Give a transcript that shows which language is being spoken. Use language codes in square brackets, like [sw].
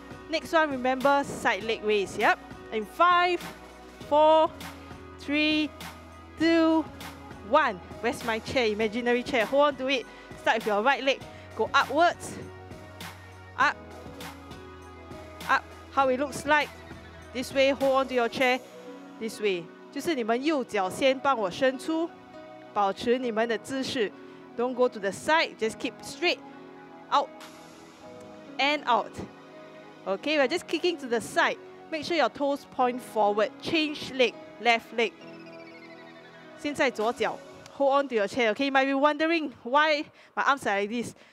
[en] Next one, remember side leg raise, yep. In 5, 4, 3, 2, 1. Where's my chair, imaginary chair, hold on to it. Start with your right leg, go upwards. Up, up, how it looks like. This way, hold on to your chair, this way. [zh] 就是你们右脚先帮我伸出, 保持你们的姿势。 [en] Don't go to the side, just keep straight, out, and out. Okay, we're just kicking to the side. Make sure your toes point forward, change leg, left leg. [zh] 现在左脚, [en] hold on to your chair, okay? You might be wondering why my arms are like this.